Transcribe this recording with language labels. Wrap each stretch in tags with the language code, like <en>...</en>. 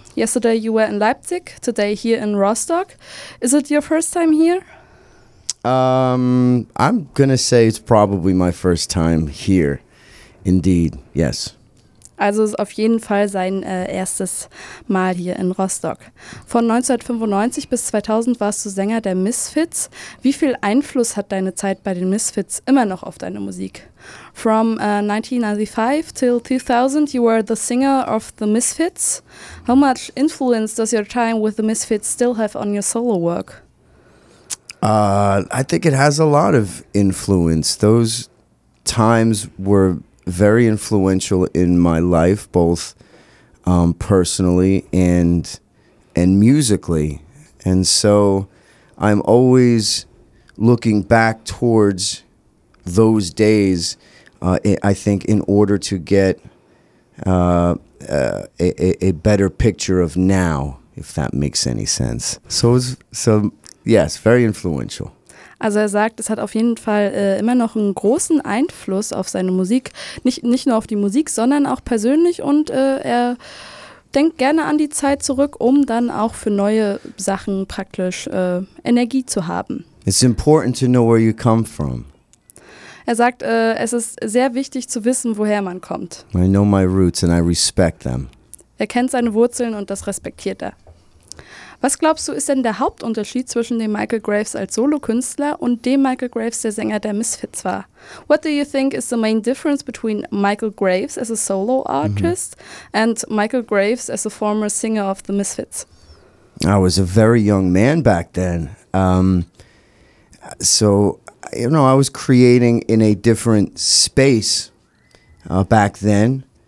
<en>Yesterday you were in Leipzig, today here in Rostock. Is it your first time here? I'm gonna say it's probably my first time here, indeed, yes.</en> <de>Also ist auf jeden Fall sein erstes Mal hier in Rostock. Von 1995 bis 2000 warst du Sänger der Misfits. Wie viel Einfluss hat deine Zeit bei den Misfits immer noch auf deine Musik?</de> <en>From 1995 till 2000 you were the singer of the Misfits. How much influence does your time with the Misfits still have on your solo work? I think it has a lot of influence. Those times were very influential in my life, both personally and musically. And so I'm always looking back towards those days, I think, in order to get a better picture of now, if that makes any sense. Yes, very influential.</en> <de>Also er sagt, es hat auf jeden Fall immer noch einen großen Einfluss auf seine Musik. Nicht nur auf die Musik, sondern auch persönlich. Und er denkt gerne an die Zeit zurück, um dann auch für neue Sachen praktisch Energie zu haben.</de> <en>It's important to know where you come from.</en> <de>Er sagt, es ist sehr wichtig zu wissen, woher man kommt.</de> <en>I know my roots and I respect them.</en> <de>Er kennt seine Wurzeln und das respektiert er. Was glaubst du, ist denn der Hauptunterschied zwischen dem Michael Graves als Solokünstler und dem Michael Graves, der Sänger der Misfits war?</de> <en>What do you think is the main difference between Michael Graves as a solo artist and Michael Graves as a former singer of the Misfits? I was a very young man back then. I was creating in a different space back then.</en>